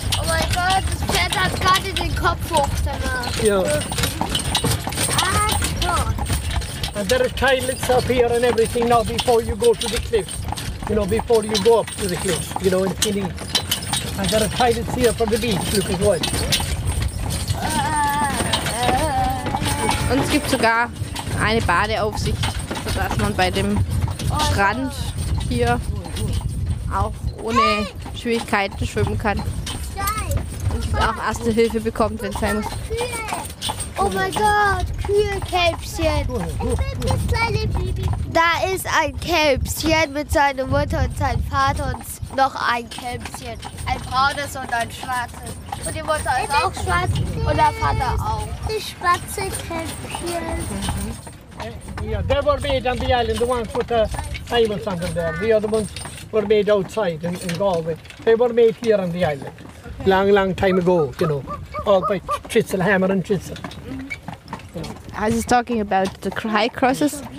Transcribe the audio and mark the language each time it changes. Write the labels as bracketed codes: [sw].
[en] Oh my God, [de] das Pferd hat gerade den Kopf hoch danach. Ja. [en] Ah, God. And there are toilets up here and everything now before you go to the cliffs. You know, before you go up to the cliffs, you know, in Kini. And there are toilets here from the beach, look at what. [de] Und es gibt sogar eine Badeaufsicht, sodass man bei dem Strand hier auch ohne Schwierigkeiten schwimmen kann. Und auch erste Hilfe bekommt, wenn es sein muss. Oh mein Gott, Kühlkälbchen. Da ist ein Kälbchen mit seiner Mutter und seinem Vater und noch ein Kälbchen. Ein braunes und ein schwarzes. Und die Mutter ist auch schwarz und der Vater auch. Die schwarze Kälbchen. [en] Yeah, they were made on the island, the ones with the diamonds under there. The other ones were made outside in Galway. They were made here on the island. Long, long time ago, you know, all by Chisel, Hammer and Chisel. I was just talking about the high crosses.